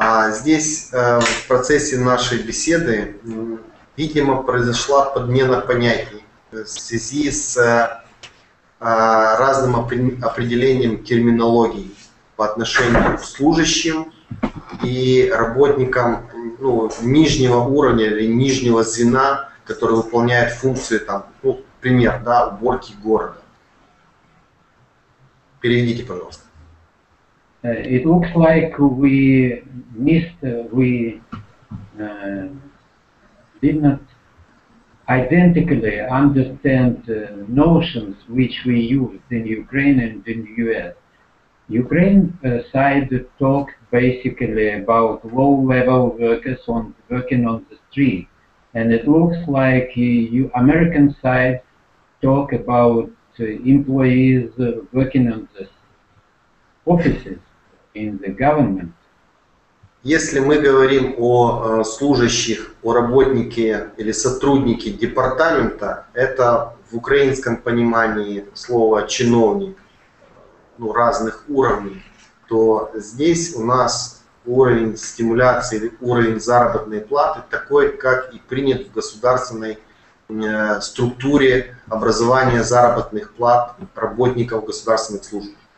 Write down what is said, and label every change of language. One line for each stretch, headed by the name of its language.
Russian: Здесь в процессе нашей беседы, видимо, произошла подмена понятий в связи с разным определением терминологии по отношению к служащим и работникам, ну, нижнего уровня или нижнего звена, который выполняет функции, там, ну, пример, да, уборки города. Переведите, пожалуйста.
English: It looks like we did not identically understand notions which we used in Ukraine and in US. Ukraine side talked basically about low-level workers working on the street, and it looks like American side talk about employees working on the offices. In the government.
Russian: Если мы говорим о служащих, о работнике или сотруднике департамента, это в украинском понимании слово чиновник, ну, разных уровней, то здесь у нас уровень стимуляции или уровень заработной платы такой, как и принят в государственной структуре образования заработных плат работников государственных служб.